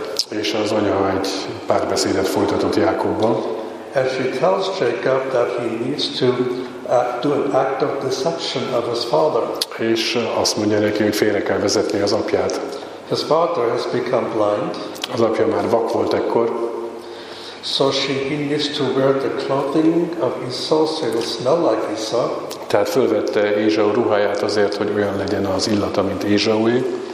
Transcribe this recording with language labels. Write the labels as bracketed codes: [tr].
[hu] És az anya egy párbeszédet folytatott Jákobban. [en] And she tells Jacob that he needs to do an act of deception of his father. [hu] És azt mondja neki, hogy félre kell vezetni az apját. [en] His father has become blind. [hu] Az apja már vak volt ekkor. [en] So he needs to wear the clothing of Esau so he will smell like Esau. [hu] Tehát fölvette Ézsau ruháját azért, hogy olyan legyen az illata, mint Ézsaué.